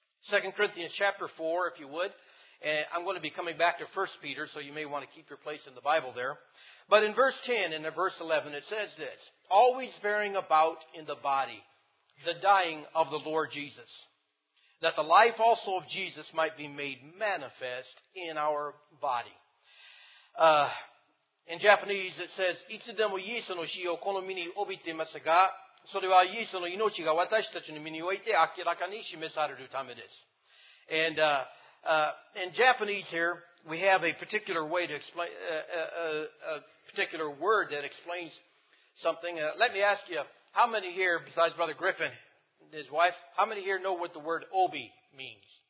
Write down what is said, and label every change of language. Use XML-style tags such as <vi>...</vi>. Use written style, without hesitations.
<en>2 Corinthians chapter 4, if you would. And I'm going to be coming back to 1 Peter, so you may want to keep your place in the Bible there. But in verse 10 and in verse 11, it says this, "Always bearing about in the body the dying of the Lord Jesus, that the life also of Jesus might be made manifest in our body." In Japanese, it says,</en> <ja>いつでもイエスの死をこの身に帯びていますが、それはイエスの命が私たちの身において明らかに示されるためです。</ja> <en>And, in Japanese here, we have a particular way to explain, a particular word that explains something. Let me ask you, how many here, besides Brother Griffin and his wife, how many here know what the word obi means?</en>